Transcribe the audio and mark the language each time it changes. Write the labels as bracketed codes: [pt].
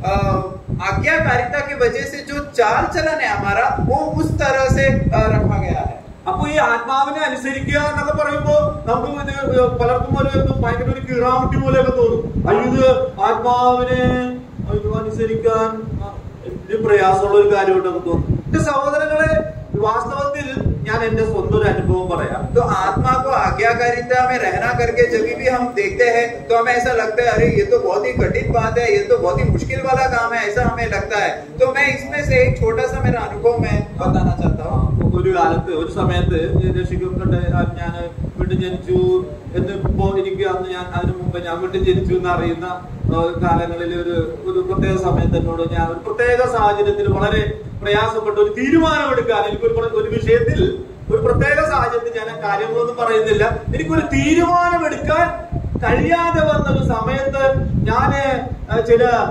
[hi] आज्ञाकारिता के वजह से जो चाल चलन है हमारा वो उस तरह से रखा गया है। [ml] അപ്പൊ ഈ ആത്മാവിനെ അനുസരിക്കുക എന്നൊക്കെ പറയുമ്പോ നമുക്ക് ഇത് പലർക്കും പോലെ ഭയങ്കര ഒരു കീറാമുട്ടി പോലെയൊക്കെ തോന്നും. അയ്യത് ആത്മാവിനെ അനുസരിക്കാൻ വലിയ പ്രയാസമുള്ള ഒരു കാര്യമായിട്ട് നമുക്ക് തോന്നും. എന്റെ സഹോദരങ്ങളെ, വാസ്തവത്തിൽ ഞാൻ എന്റെ സ്വന്തം ഒരു അനുഭവം പറയാം. [hi] तो आत्मा को आज्ञाकारिता में रहना करके जब भी हम देखते हैं तो हमें ऐसा लगता है अरे ये तो बहुत ही कठिन बात है, ये तो बहुत ही मुश्किल वाला काम है, ऐसा हमें लगता है। तो मैं इसमें से एक छोटा सा मेरा अनुभव मैं बताना चाहता हूँ। [ml] ഒരു സമയത്ത് രക്ഷിക്കൊണ്ട് ഞാൻ വീണ്ടും ജനിച്ചു എന്ന് എനിക്ക് അന്ന് ഞാൻ അതിനു മുമ്പ് ഞാൻ വീണ്ടും ജനിച്ചു എന്ന് അറിയുന്ന കാലങ്ങളിൽ ഒരു പ്രത്യേക സമയത്ത് എന്നോട് ഞാൻ ഒരു പ്രത്യേക സാഹചര്യത്തിൽ വളരെ പ്രയാസപ്പെട്ട ഒരു തീരുമാനമെടുക്കാൻ എനിക്കൊരു വിഷയത്തിൽ ഒരു പ്രത്യേക സാഹചര്യത്തിൽ ഞാൻ കാര്യങ്ങളൊന്നും പറയുന്നില്ല എനിക്കൊരു തീരുമാനമെടുക്കാൻ കഴിയാതെ വന്ന ഒരു സമയത്ത് ഞാന് ചില